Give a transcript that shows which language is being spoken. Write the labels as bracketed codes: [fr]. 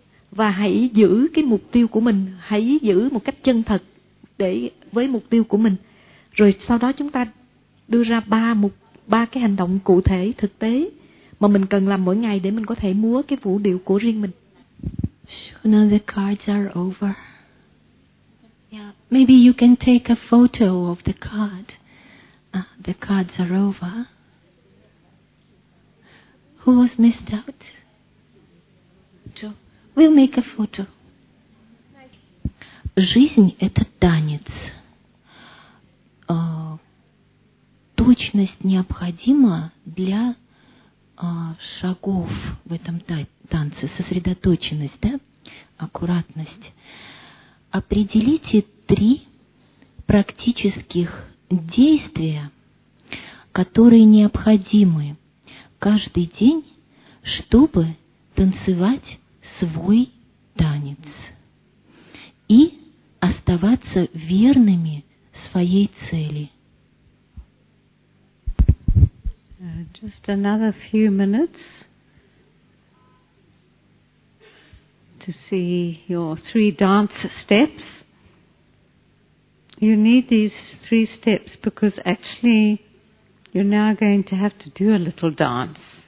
[vi] Và hãy giữ cái mục tiêu của mình, hãy giữ một cách chân thật để với mục tiêu của mình. Rồi sau đó chúng ta đưa ra ba cái hành động cụ thể, thực tế mà mình cần làm mỗi ngày để mình có thể múa cái vũ điệu của riêng mình. [en] So now the cards are over. Yeah, maybe you can take a photo of the card. The cards are over. Who was missed out? Joe. We'll make a photo. [ru] Жизнь – это танец. Точность необходима для шагов в этом танце, сосредоточенность, да? Аккуратность. Определите три практических действия, которые необходимы каждый день, чтобы танцевать свой танец и оставаться верными своей цели. [en] Just another few minutes to see your three dance steps. You need these three steps because actually you're now going to have to do a little dance.